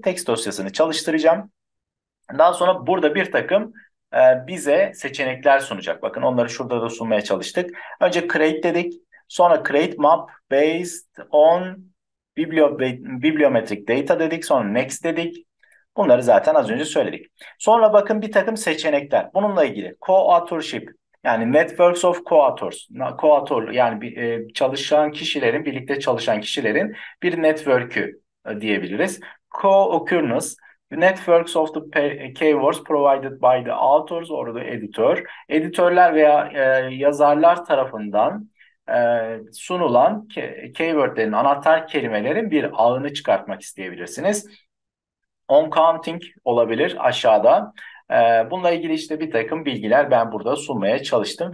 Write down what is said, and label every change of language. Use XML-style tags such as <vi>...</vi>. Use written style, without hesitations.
<tr>Text dosyasını çalıştıracağım. Daha sonra burada bir takım bize seçenekler sunacak. Bakın onları şurada da sunmaya çalıştık. Önce create dedik. Sonra</tr> <en>create map based on bibliometric data</en> <tr>dedik. Sonra next dedik. Bunları zaten az önce söyledik. Sonra bakın bir takım seçenekler. Bununla ilgili co-authorship, yani</tr> <en>networks of co-authors.</en> <tr>Co-author yani çalışan kişilerin, birlikte çalışan kişilerin bir network'ü diyebiliriz.</tr> <en>Co-occurrence, networks of the keywords provided by the authors or the editor.</en> <tr>Editörler veya yazarlar tarafından sunulan keywordlerin, anahtar kelimelerin bir ağını çıkartmak isteyebilirsiniz. On counting olabilir aşağıda. Bununla ilgili işte bir takım bilgiler ben burada sunmaya çalıştım.</tr>